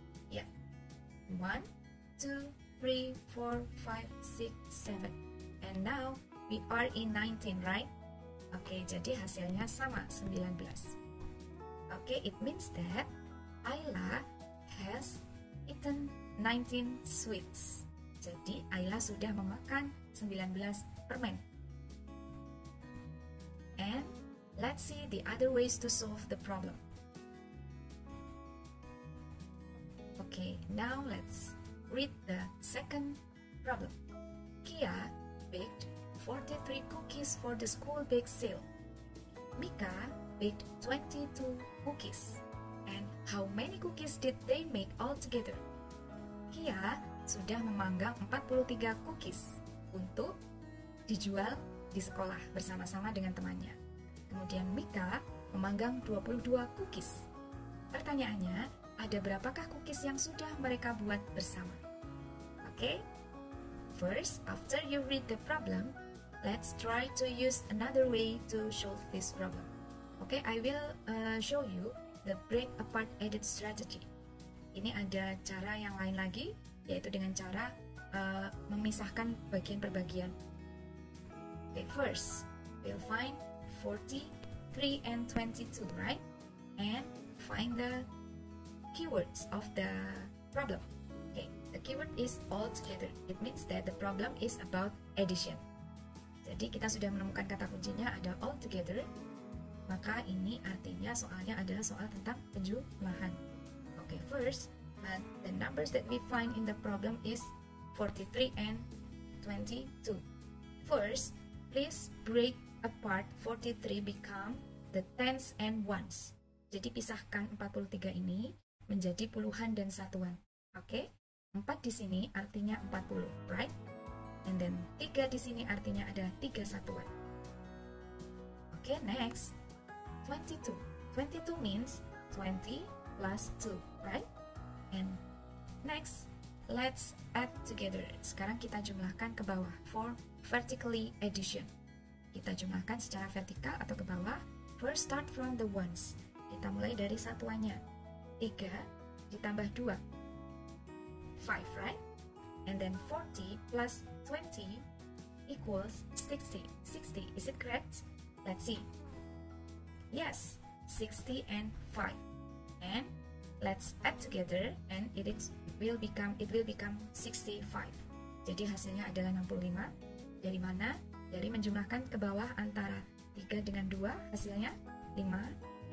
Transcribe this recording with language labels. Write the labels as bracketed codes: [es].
[en] Yeah. 1, 2, 3, 4, 5, 6, 7. And now, we are in 19, right? Okay, [id] jadi hasilnya sama, 19. [en] Okay, it means that Ayla has eaten 19 sweets. [id] Jadi, Ayla sudah memakan 19 permen. [en] And let's see the other ways to solve the problem. Okay, now let's read the second problem. Kia baked 43 cookies for the school bake sale. Mika baked 22 cookies. And how many cookies did they make altogether? [id] Kia sudah memanggang 43 cookies untuk dijual di sekolah bersama-sama dengan temannya. Kemudian Mika memanggang 22 cookies. Pertanyaannya, ada berapakah cookies yang sudah mereka buat bersama? [en] Okay? First, after you read the problem, let's try to use another way to solve this problem. Okay, I will show you the break apart edit strategy. [id] Ini ada cara yang lain lagi, yaitu dengan cara memisahkan bagian per bagian. [en] Okay, first, we'll find 43 and 22, right? And find the keywords of the problem. Okay, the keyword is altogether. It means that the problem is about addition. [id] Jadi kita sudah menemukan kata kuncinya ada altogether. Maka ini artinya soalnya adalah soal tentang penjumlahan. [en] Okay, first, but the numbers that we find in the problem is 43 and 22. First, please break apart 43 become the tens and ones. [id] Jadi pisahkan 43 ini menjadi puluhan dan satuan. Okay? 4 di sini artinya 40, right? And then 3 di sini artinya ada 3 satuan. Okay, next. 22. [en] 22 means 20 plus 2, right? And next, let's add together. [id] Sekarang kita jumlahkan ke bawah [en] for vertically addition. [id] Kita jumlahkan secara vertikal atau ke bawah. [en] First, start from the ones. [id] Kita mulai dari satuannya. 3 ditambah 2. 5, right? [en] And then 40 plus 20 equals 60. 60, is it correct? Let's see. Yes, 60 and 5. And let's add together and it will become 65. [id] Jadi hasilnya adalah 65. Dari mana? Dari menjumlahkan ke bawah antara 3 dengan 2, hasilnya 5.